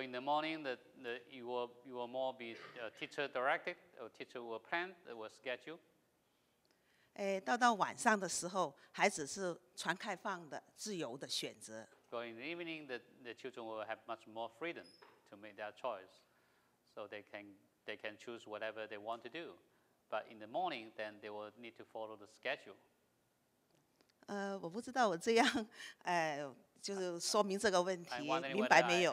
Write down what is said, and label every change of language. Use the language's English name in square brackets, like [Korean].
[English] in the morning, you will more be teacher directed, or teacher will plan, will schedule. [Chinese] 到晚上的时候，孩子是全开放的、自由的选择。 [English] So in the evening, the children will have much more freedom to make their choice, so they can choose whatever they want to do. But in the morning, then they will need to follow the schedule. [Chinese] 我不知道我这样，就是说明这个问题，明白没有？